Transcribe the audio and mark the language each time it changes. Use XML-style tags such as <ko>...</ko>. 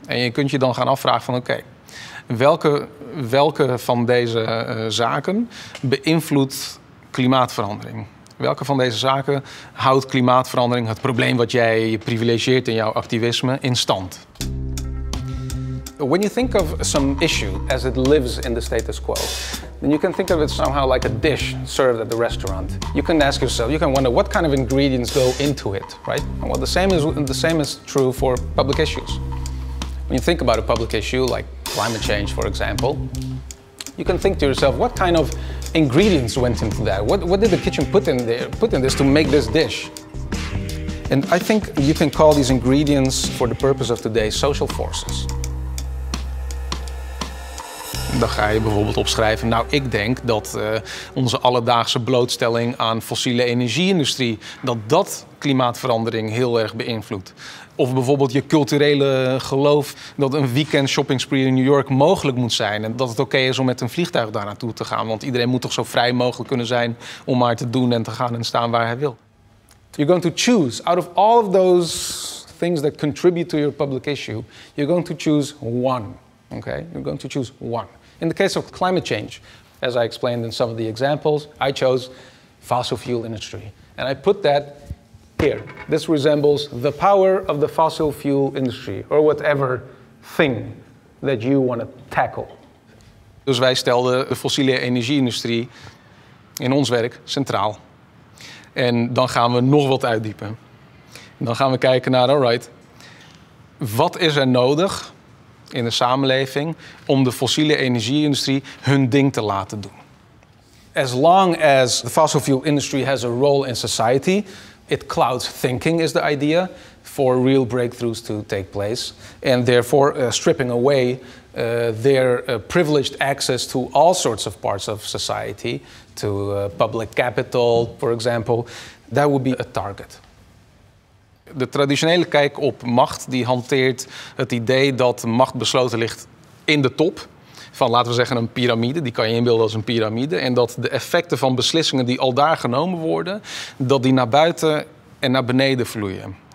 <nl>En je kunt je dan gaan afvragen van oké, welke van deze zaken beïnvloedt klimaatverandering? Welke van deze zaken houdt klimaatverandering, het probleem wat jij privilegieert in jouw activisme, in stand?</nl> <en>When you think of some issue as it lives in the status quo, then you can think of it somehow like a dish served at the restaurant. You can ask yourself, you can wonder what kind of ingredients go into it, right? Well, the same is true for public issues. When you think about a public issue like climate change, for example, you can think to yourself, what kind of ingredients went into that? What did the kitchen put in this to make this dish? And I think you can call these ingredients for the purpose of today social forces.</en> <nl>Dan ga je bijvoorbeeld opschrijven, nou ik denk dat onze alledaagse blootstelling aan fossiele energieindustrie, dat dat klimaatverandering heel erg beïnvloedt. Of bijvoorbeeld je culturele geloof dat een weekend shopping spree in New York mogelijk moet zijn. En dat het oké is om met een vliegtuig daar naartoe te gaan. Want iedereen moet toch zo vrij mogelijk kunnen zijn om maar te doen en te gaan en staan waar hij wil.</nl> <en>You're going to choose out of all of those things that contribute to your public issue, you're going to choose one. Okay, you're going to choose one. In the case of climate change, as I explained in some of the examples, I chose fossil fuel industry. And I put that here. This resembles the power of the fossil fuel industry, or whatever thing that you want to tackle.</en> <nl>Dus wij stelden de fossiele energieindustrie in ons werk centraal. En dan gaan we nog wat uitdiepen. En dan gaan we kijken naar, alright, wat is er nodig in de samenleving om de fossiele energieindustrie hun ding te laten doen.</nl> <en>As long as the fossil fuel industry has a role in society, it clouds thinking is the idea for real breakthroughs to take place. And therefore stripping away their privileged access to all sorts of parts of society, to public capital, for example, that would be a target.</en> <nl>De traditionele kijk op macht die hanteert het idee dat macht besloten ligt in de top van, laten we zeggen, een piramide. Die kan je inbeelden als een piramide. En dat de effecten van beslissingen die al daar genomen worden, dat die naar buiten en naar beneden vloeien.</nl>